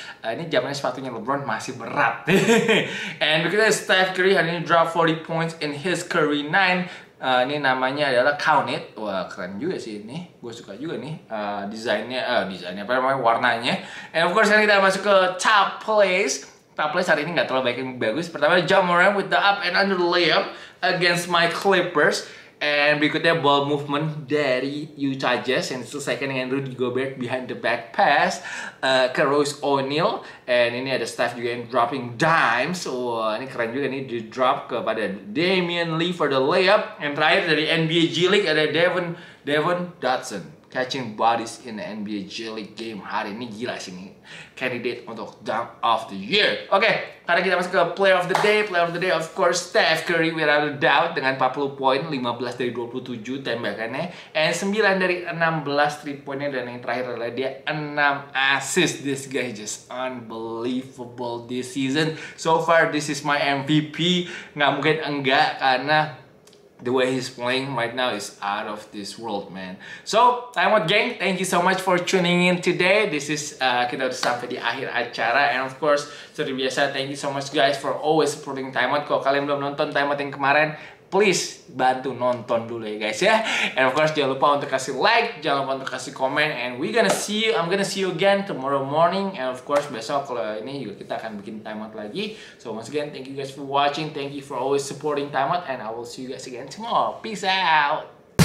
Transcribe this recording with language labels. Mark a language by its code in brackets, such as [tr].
[id] Ini zamannya sepatunya LeBron masih berat. And begitu ya, Steph Curry hari ini [en] drop 40 points in his Curry 9. [id] Ini namanya adalah Count It. Wah, keren juga sih ini. Gue suka juga nih desainnya apa namanya, warnanya. And of course, kita masuk ke Top Plays. Top Plays hari ini gak terlalu baik yang bagus. Pertama, [en] Ja Morant with the up and under layup against my Clippers. [id] And berikutnya, ball movement dari Utah Jazz. And selesaikan dengan Rudy Gobert [en] behind the back pass [id] ke Royce O'Neal. And ini ada Steph juga yang [en] dropping dimes. [id] Wah, ini keren juga nih, di drop kepada Damian Lee [en] for the layup. [id] And terakhir dari NBA G League ada Devon Dotson. [en] catching bodies in the NBA G League game [id] hari ini. Gila sih ini. Candidate untuk Dunk of the Year. Oke, karena kita masuk ke Player of the Day. [en] Player of the Day, of course, Steph Curry without a doubt. [id] Dengan 40 poin, 15 dari 27 tembakannya. And 9 dari 16 3-pointnya. Dan yang terakhir adalah dia 6 assist. [en] This guy just unbelievable this season. So far, this is my MVP. [id] Nggak mungkin enggak, karena [en] the way he's playing right now is out of this world, man. So, time out, gang. Thank you so much for tuning in today. This is, [id] kita udah sampai di akhir acara. [en] And of course, [id] seperti biasa, [en] thank you so much guys for always supporting time out. [id] Kalau kalian belum nonton time out yang kemarin, please bantu nonton dulu ya guys ya. And of course, jangan lupa untuk kasih like, jangan lupa untuk kasih komen. [en] And we gonna see you, I'm gonna see you again tomorrow morning. And of course, [id] besok kalau ini juga kita akan bikin time out lagi. [en] So once again, thank you guys for watching. Thank you for always supporting time out. And I will see you guys again tomorrow. Peace out.